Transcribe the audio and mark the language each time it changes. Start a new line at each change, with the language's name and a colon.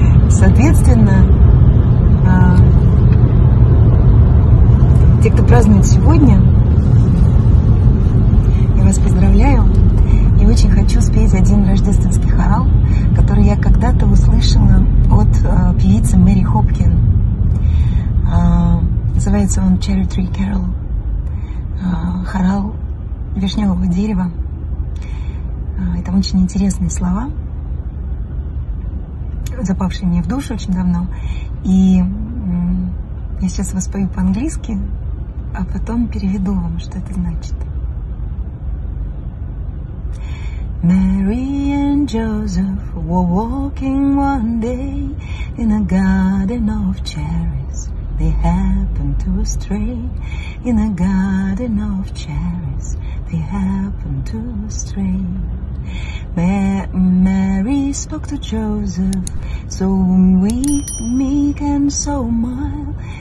Russian: Соответственно, те, кто празднует сегодня, я вас поздравляю и очень хочу спеть один рождественский хорал, который я когда-то услышала от певицы Мэри Хопкин. Называется он Cherry Tree Carol. Хорал вишневого дерева. И там очень интересные слова, запавшие мне в душу очень давно. И я сейчас воспою по-английски, а потом переведу вам, что это значит.
English: Mary and Joseph were walking one day in a garden of cherries. They happened to stray in a garden of cherries. They happened to stray. Mary spoke to Joseph, so weak, meek, and so mild.